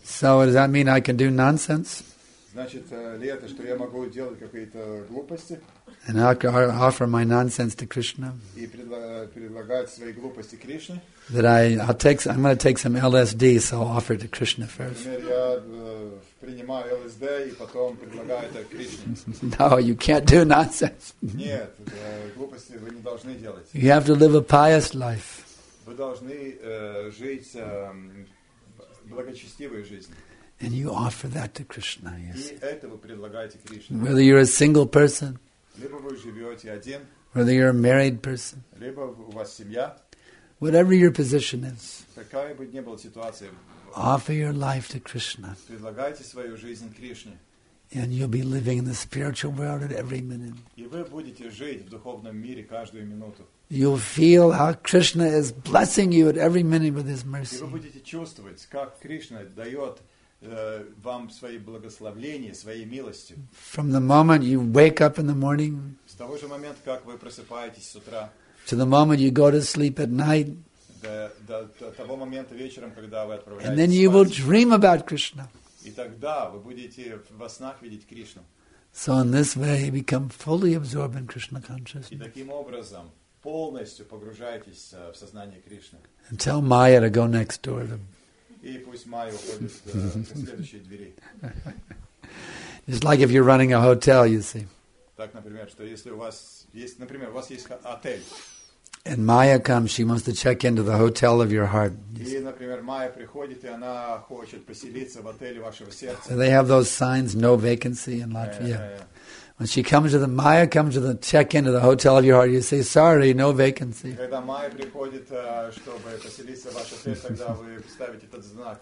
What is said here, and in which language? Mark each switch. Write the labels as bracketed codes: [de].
[en] So does that mean I can do nonsense? [ru] Значит ли это, что я могу делать какие-то глупости? [en] And I offer my nonsense to Krishna. [ru] И предлагать свои глупости Кришне. [en] That I'm going to take some LSD, so I'll offer it to Krishna first. [ru] Принимаю ЛСД и потом предлагаю это Кришне. [en] No, you can't do nonsense. [ru] Нет, глупости вы не должны делать. [en] You have to live a pious life. [ru] Вы должны жить благочестивой жизнью. [en] And you offer that to Krishna, yes. [ru] И это вы предлагаете Кришне. [en] Whether you're a single person, [ru] либо вы живете один, [en] whether you're a married person, [ru] либо у вас семья, [en] whatever your position is, [ru] какая бы ни была ситуация, [en] offer your life to Krishna. [ru] Предлагайте свою жизнь Кришне. [en] And you'll be living in the spiritual world at every minute. [ru] И вы будете жить в духовном мире каждую минуту. [en] You'll feel how Krishna is blessing you at every minute with his mercy. [ru] И вы будете чувствовать, как Кришна дает вам свои благословения, свои милости. [en] From the moment you wake up in the morning, [ru] с того же момента, как вы просыпаетесь с утра, [en] to the moment you go to sleep at night, [ru] до того момента вечером, когда вы отправляетесь спать. [en] And then you will dream about Krishna. [ru] И тогда вы будете во снах видеть Кришну. [en] So in this way you become fully absorbed in Krishna consciousness. [ru] И таким образом полностью погружаетесь в сознание Кришны. [en] And tell Maya to go next door to them. [ru] И пусть Майя уходит к следующей двери. [en] It's like if you're running a hotel, you see. [ru] Так, например, что если у вас есть, например, у вас есть отель. [en] And Maya comes, she wants to check into the hotel of your heart. [ru] И, например, Майя приходит, и она хочет поселиться в отеле вашего сердца. [en] They have those signs, no vacancy in Latvia. Yeah. When she comes to the Maya comes to the check into the hotel of your heart, you say, sorry, no vacancy. [ru] Когда Майя приходит, чтобы поселиться в ваш отель, тогда вы ставите этот знак.